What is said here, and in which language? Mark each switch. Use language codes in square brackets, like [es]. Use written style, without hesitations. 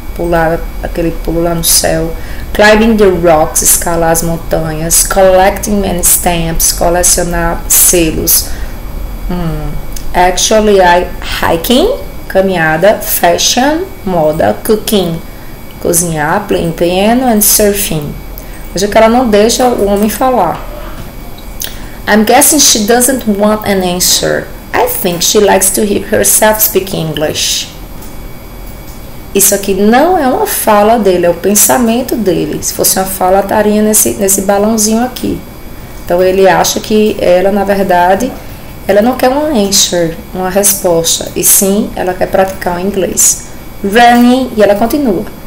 [pt] Pular aquele pulo lá no céu, [en] climbing the rocks, [pt] escalar as montanhas, [en] collecting many stamps, [pt] colecionar selos. [en] Actually, hiking, [pt] caminhada, [en] fashion, [pt] moda, [en] cooking, [pt] cozinhar, [en] playing piano and surfing. [pt] Veja que ela não deixa o homem falar. [en] I'm guessing she doesn't want an answer. I think she likes to hear herself speak English. [pt] Isso aqui não é uma fala dele, é o pensamento dele. Se fosse uma fala, estaria nesse balãozinho aqui. Então, ele acha que ela, na verdade, ela não quer um [en] answer, [pt] uma resposta. E sim, ela quer praticar o inglês. [en] Running, [pt] e ela continua.